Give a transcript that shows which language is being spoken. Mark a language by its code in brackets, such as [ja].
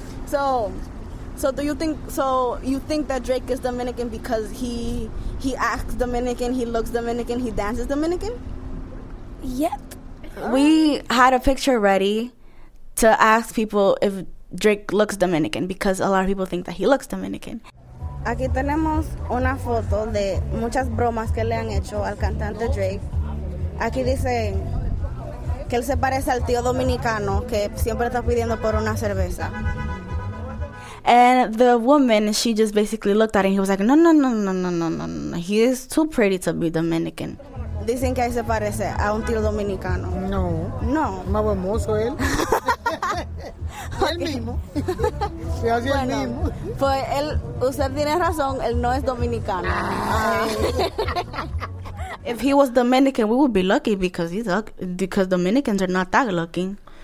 [en] So you think that Drake is Dominican because he acts Dominican, he looks Dominican, he dances Dominican? Yep. We had a picture ready to ask people if Drake looks Dominican because a lot of people think that he looks Dominican. [es] Aquí tenemos una foto de muchas bromas que le han hecho al cantante Drake. Aquí dice que él se parece al tío dominicano que siempre está pidiendo por una cerveza. [en] And the woman, she just basically looked at him. He was like, no. He is too pretty to be Dominican. [es] Dicen que él se parece a un tío dominicano. No. No. Más hermoso él. el mismo. Se hace bueno, el mismo. Pues él, usted tiene razón, él no es dominicano. [en] If he was Dominican, we would be lucky because Dominicans are not that looking.